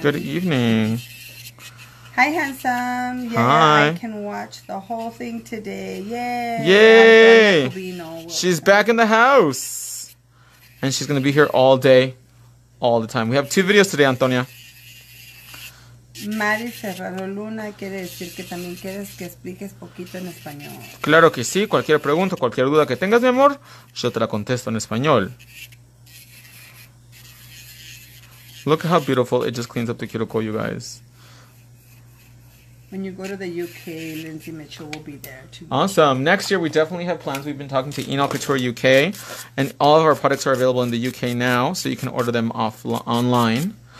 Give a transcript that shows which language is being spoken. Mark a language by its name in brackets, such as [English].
[English] Good evening. Hi, handsome. Yeah, hi. I can watch the whole thing today. Yay. Yay. She's back in the house. And she's going to be here all day, all the time. We have two videos today, Antonia. [Spanish] Mari Serrano Luna quiere decir que también quieres que expliques poquito en español. Claro que sí. Cualquier pregunta, cualquier duda que tengas, mi amor, yo te la contesto en español. [English] Look at how beautiful it just cleans up the cuticle, you guys. When you go to the UK, Lindsay Mitchell will be there too. Awesome. Next year, we definitely have plans. We've been talking to Enol Couture UK, and all of our products are available in the UK now, so you can order them online.